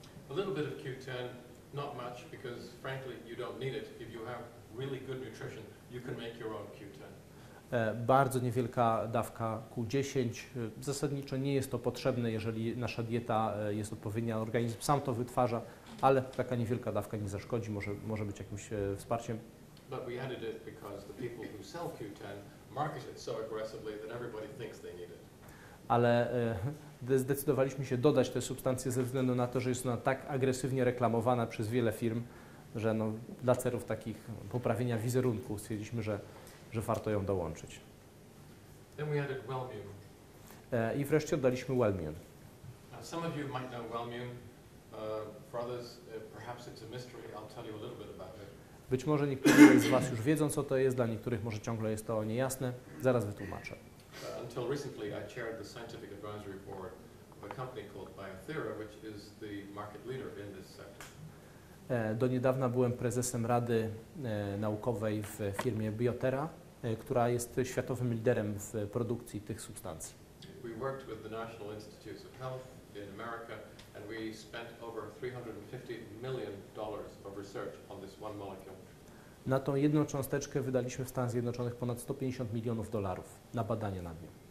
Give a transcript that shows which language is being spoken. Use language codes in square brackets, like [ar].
[en] A little bit of Q10, not much, because frankly you don't need it. If you have really good nutrition, you can make your own Q10. [pl] Bardzo niewielka dawka Q10. Zasadniczo nie jest to potrzebne, jeżeli nasza dieta jest odpowiednia, organizm sam to wytwarza, ale taka niewielka dawka nie zaszkodzi, może być jakimś wsparciem. [en] But we added it because the people who sell Q10 market it so aggressively that everybody thinks they need it. [pl] Ale zdecydowaliśmy się dodać tę substancję ze względu na to, że jest ona tak agresywnie reklamowana przez wiele firm, że no, dla celów takich poprawienia wizerunku stwierdziliśmy, że warto ją dołączyć. [en] Then we added Wellmune. [pl] I wreszcie dodaliśmy Wellmune. [en] Some of you might know Wellmune. For others, perhaps it's a mystery. I'll tell you a little bit about it. [pl] Być może niektórzy z Was już wiedzą, co to jest. Dla niektórych może ciągle jest to niejasne. Zaraz wytłumaczę. [en] Until recently, I chaired the scientific advisory board of a company called Biothera, which is the market leader in this sector. [pl] Do niedawna byłem prezesem rady naukowej w firmie Biothera, która jest światowym liderem w produkcji tych substancji. [en] We worked with the National Institutes of Health in America, and we spent over $350 million of research on this one molecule. [pl] Na tą jedną cząsteczkę wydaliśmy w Stanach Zjednoczonych ponad $150 milionów na badania nad nią.